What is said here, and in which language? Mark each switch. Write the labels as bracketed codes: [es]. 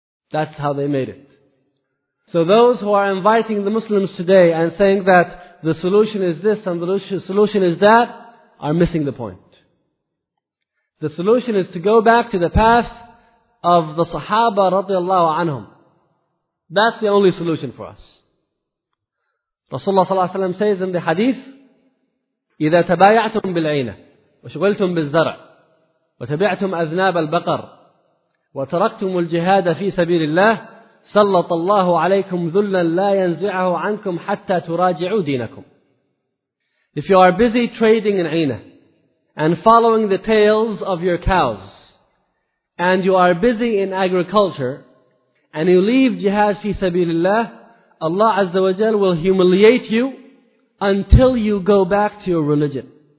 [en] That's how they made it. So those who are inviting the Muslims today and saying that the solution is this and the solution is that are missing the point. The solution is to go back to the path of the Sahaba radiallahu anhum. That's the only solution for us. Rasulullah sallallahu alaihi wasallam says in the hadith, [ar] "إذا تبايعتم بالعينة وشغلتم بالزرع وتبعتم أذناب البقر وتركتم الجهاد في سبيل الله سلط الله عليكم ذلا لا ينزعه عنكم حتى تراجعوا دينكم." [en] If you are busy trading in Aina and following the tails of your cows, and you are busy in agriculture, and you leave jihad fi sabilillah, Allah Azza wa Jal will humiliate you until you go back to your religion.